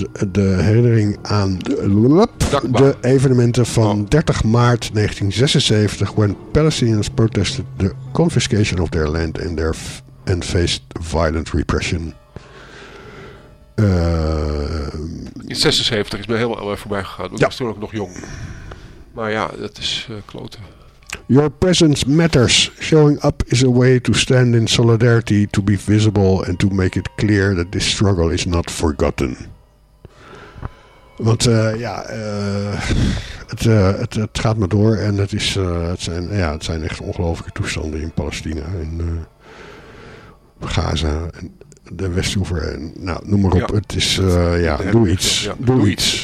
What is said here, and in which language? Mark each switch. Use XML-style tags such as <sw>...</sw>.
<nl>De herinnering aan de evenementen van 30 maart 1976...</nl> <en>when Palestinians protested the confiscation of their land... and faced violent repression.</en> <nl>In 76 is me helemaal voorbij gegaan. Ik was toen ook nog jong. Maar ja, dat is klote.</nl> <en>Your presence matters. Showing up is a way to stand in solidarity, to be visible and to make it clear that this struggle is not forgotten.</en> <nl>Want het gaat maar door en het is het zijn echt ongelofelijke toestanden in Palestina en Gaza en de Westoever en noem maar op. Ja. Het is doe iets.</nl>